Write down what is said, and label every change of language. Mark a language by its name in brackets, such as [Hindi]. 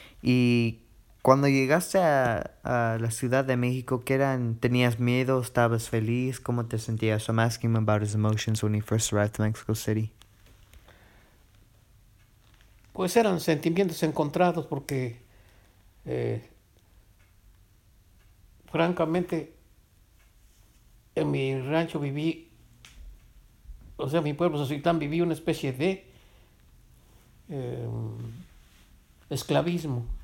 [Spanish] Y cuando llegaste a la Ciudad de México, ¿qué eran? ¿Tenías miedo? ¿Estabas feliz? ¿Cómo te sentías? [English] So I'm asking him about his emotions when he first arrived to Mexico City. [Spanish] Pues eran sentimientos encontrados porque, francamente, en mi rancho viví, o sea, mi pueblo, Xochitlán, viví una especie de esclavismo.